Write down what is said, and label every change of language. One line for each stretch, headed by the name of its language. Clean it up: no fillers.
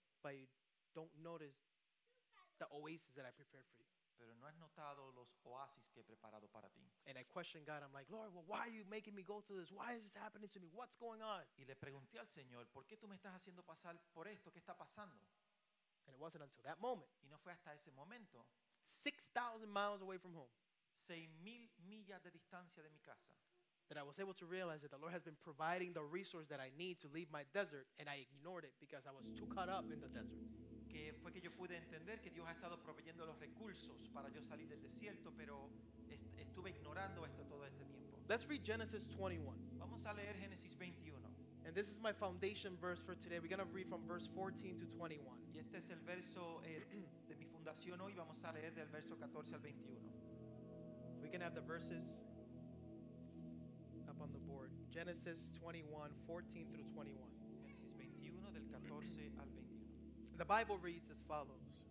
English: but you don't notice the oasis that I prepared for you.
Spanish: Pero no has notado los oasis que he preparado para ti.
English: And I questioned God. I'm like, Lord, well, why are you making me go through this? Why is this happening to me? What's going on?
Spanish: Y le pregunté al Señor, ¿por qué tú me estás haciendo pasar por esto? ¿Qué está pasando?
English: And it wasn't until that moment.
Spanish: Y no fue hasta ese momento.
English: 6,000 miles away from home.
Spanish: 6,000 millas de distancia de mi casa.
English: That I was able to realize that the Lord has been providing the resource that I need to leave my desert, and I ignored it because I was too caught up in the desert.
Spanish: Que fue que yo pude entender que Dios ha estado proveyendo los recursos para yo salir del desierto, pero estuve ignorando esto todo este tiempo.
English: Let's read Genesis 21.
Spanish: Vamos a leer Génesis 21.
English: And this is my foundation verse for today. We're going to read from verse 14 to 21.
Spanish: Y este es el verso de mi fundación hoy. Vamos a leer del verso 14 al 21.
English: We can have the verses up on the board. Genesis 21, 14 through 21.
Spanish: Génesis 21, del 14 al 21.
English: The Bible reads as follows.